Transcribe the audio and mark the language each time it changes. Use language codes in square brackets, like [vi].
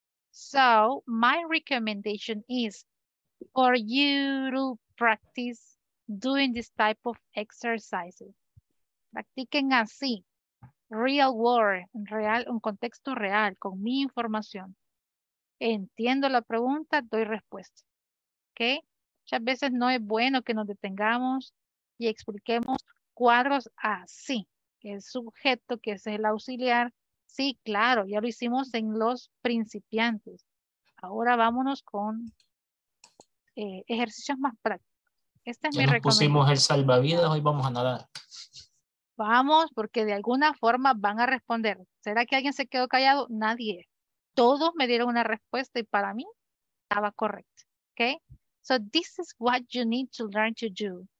[en] So, my recommendation is for you to practice doing this type of exercises. [es] Practiquen así. [en] Real world, [es] real, un contexto real, con mi información. Entiendo la pregunta, doy respuesta. ¿Ok? Muchas veces no es bueno que nos detengamos y expliquemos cuadros así. Que el sujeto, que es el auxiliar. Sí, claro, ya lo hicimos en los principiantes. Ahora vámonos con ejercicios más prácticos. Esta es ya mi recomendación. Pusimos el salvavidas, hoy vamos a nadar. Vamos, porque de alguna forma van a responder. ¿Será que alguien se quedó callado? Nadie. Todos me dieron una respuesta y para mí estaba correcta. [en] Okay? So this is what you need to learn to do.